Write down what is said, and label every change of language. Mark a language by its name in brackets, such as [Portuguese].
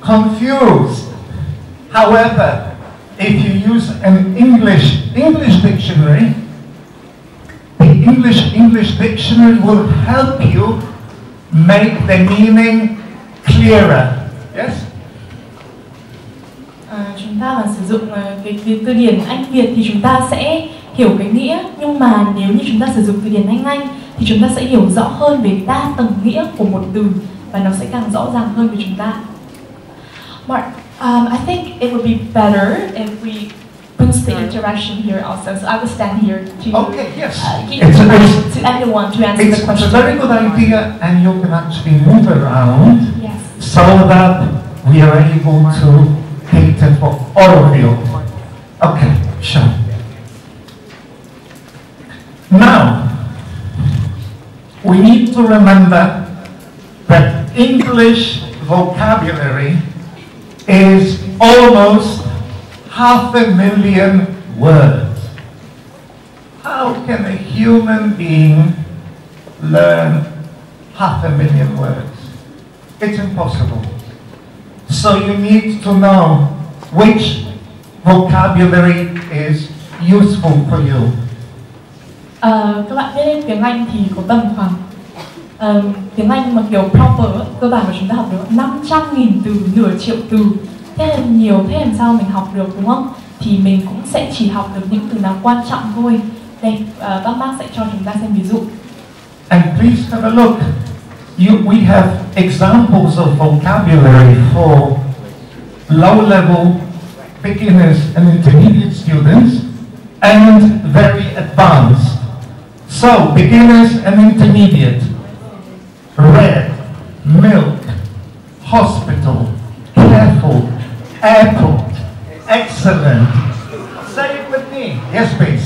[English] confused. However, if you use an English dictionary, the English dictionary will help you make the meaning clearer. Yes? [Vietnamese] Chúng ta mà sử dụng cái từ điển Anh Việt thì chúng ta sẽ hiểu cái nghĩa, nhưng mà nếu như chúng ta sử dụng từ điển Anh thì chúng ta sẽ hiểu rõ hơn về đa tầng nghĩa của một từ và nó sẽ càng rõ ràng hơn với chúng ta. [English] Mark, I think it would be better if we boost the interaction here also. So I will stand here to give it to anyone to answer the question. It's a very good idea, and you can actually move around so that we are able to cater for all of you. Okay, sure. Now, we need to remember that English vocabulary is almost 500,000 words. How can a human being learn 500,000 words? It's impossible. So you need to know which vocabulary is useful for you. [Vietnamese] Các bạn biết đấy, tiếng Anh thì có tầm khoảng tiếng Anh mà kiểu proper cơ bản của chúng ta học được 500,000 từ, nửa triệu từ. Thế là nhiều, thế làm sao mình học được đúng không? Thì mình cũng sẽ chỉ học được những từ nào quan trọng thôi. Đây, các bác sẽ cho chúng ta xem ví dụ. [English] And please have a look. We have examples of vocabulary for low level beginners and intermediate students and very advanced. So, beginners and intermediate. Red, milk, hospital, careful, airport, excellent. Say it with me. Yes, please.